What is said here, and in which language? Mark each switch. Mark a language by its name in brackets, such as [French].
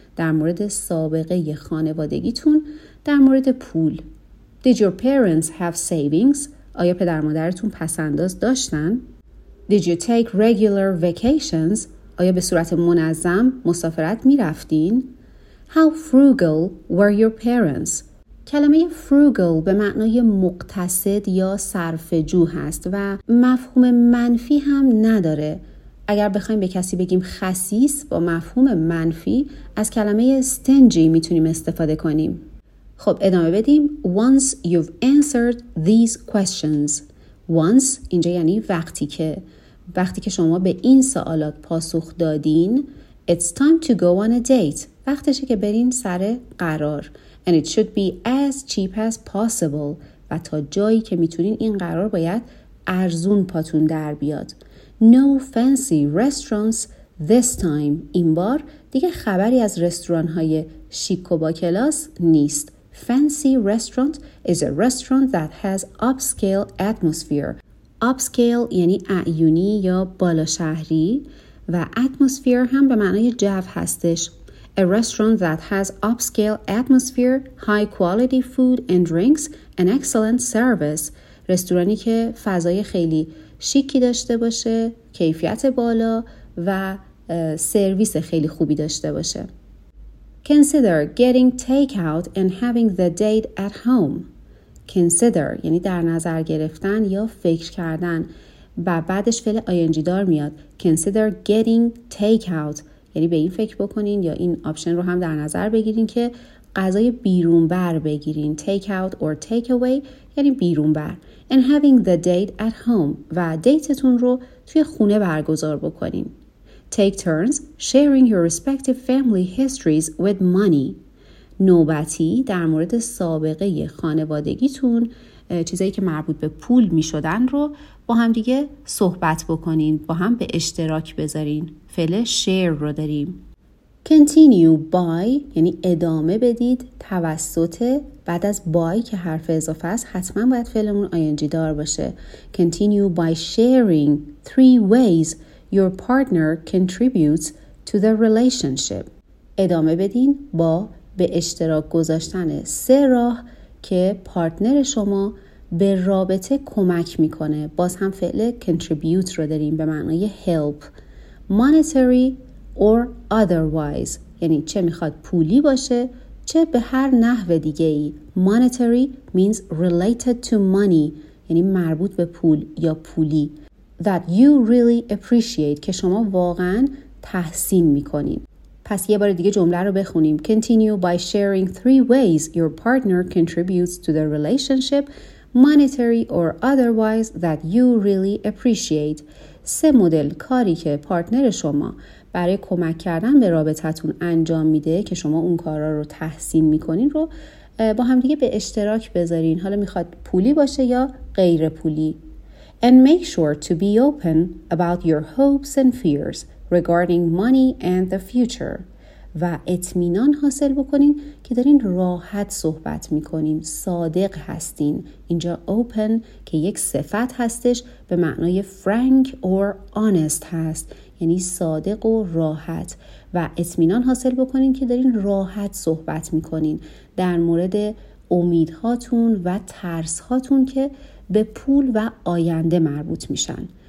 [Persian] در مورد سابقه خانوادگیتون، در مورد پول. [English] Did your parents have savings؟ [Persian] آیا پدر مادرتون پسنداز داشتن؟ [English] Did you take regular vacations؟ [Persian] آیا به صورت منظم مسافرت می رفتین؟ [English] How frugal were your parents؟ [Persian] کلمه frugal به معنای مقتصد یا صرفه‌جو هست و مفهوم منفی هم نداره. اگر بخوایم به کسی بگیم خسیس با مفهوم منفی، از کلمه stingy میتونیم استفاده کنیم. خب ادامه بدیم. [English] Once you've answered these questions. [Persian] Once اینجا یعنی وقتی که. وقتی که شما به این سوالات پاسخ دادین، [English] It's time to go on a date. [Persian] وقتشه که برین سر قرار. [English] And it should be as cheap as possible. [Persian] و تا جایی که میتونین این قرار باید ارزون پاتون در بیاد. [English] No fancy restaurants this time. [Persian] این بار دیگه خبری از رستوران های شیک و با کلاس نیست. [English] Fancy restaurant is a restaurant that has upscale atmosphere. [Persian] Upscale یعنی اعیونی یا بالاشهری و atmosphere هم به معنای جو هستش. [English] A restaurant that has upscale atmosphere, high quality food and drinks, and excellent service. [Persian] رستورانی که فضای خیلی شیکی داشته باشه، کیفیت بالا و سرویس خیلی خوبی داشته باشه. [English] Consider getting takeout and having the date at home. [Persian] Consider یعنی در نظر گرفتن یا فکر کردن و بعدش فعل ing دار میاد. Consider getting takeout یعنی به این فکر بکنین یا این آپشن رو هم در نظر بگیرین که غذای بیرون بر بگیرین. [English] Takeout or takeaway [Persian] یعنی بیرون بر. [English] And having the date at home [Persian] و دیتتون رو توی خونه برگزار بکنین. [English] Take turns sharing your respective family histories with money. [Persian] نوبتی در مورد سابقه خانوادگیتون، چیزایی که مربوط به پول می شدن رو با هم دیگه صحبت بکنین، با هم به اشتراک بذارین. فعل share رو داریم. [English] Continue by [Persian] یعنی ادامه بدید، توسط، بعد از by که حرف اضافه است حتما باید فعلمون ing دار باشه. [English] Continue by sharing three ways your partner contributes to the relationship. [Persian] ادامه بدین با به اشتراک گذاشتن سه راه که پارتنر شما به رابطه کمک میکنه. باز هم فعل contribute رو داریم به معنای help. [English] Monetary or otherwise [Persian] یعنی چه میخواد پولی باشه چه به هر نحو دیگه ای. [English] Monetary means related to money [Persian] یعنی مربوط به پول یا پولی. [English] That you really appreciate [Persian] که شما واقعا تحسین میکنین. پس یه بار دیگه جمله رو بخونیم. [English] Continue by sharing three ways your partner contributes to the relationship, monetary or otherwise, that you really appreciate. [Persian] سه مدل کاری که پارتنر شما برای کمک کردن به رابطتون انجام میده که شما اون کارا رو تحسین میکنین رو با هم دیگه به اشتراک بذارین. حالا میخواد پولی باشه یا غیر پولی. And make sure to be open about your hopes and fears regarding money and the future. و اطمینان حاصل بکنین که دارین راحت صحبت میکنین، صادق هستین. اینجا open که یک صفت هستش به معنای [English] frank or honest [Persian] هست، یعنی صادق و راحت. و اطمینان حاصل بکنین که دارین راحت صحبت میکنین در مورد امیدهاتون و ترسهاتون که به پول و آینده مربوط میشن.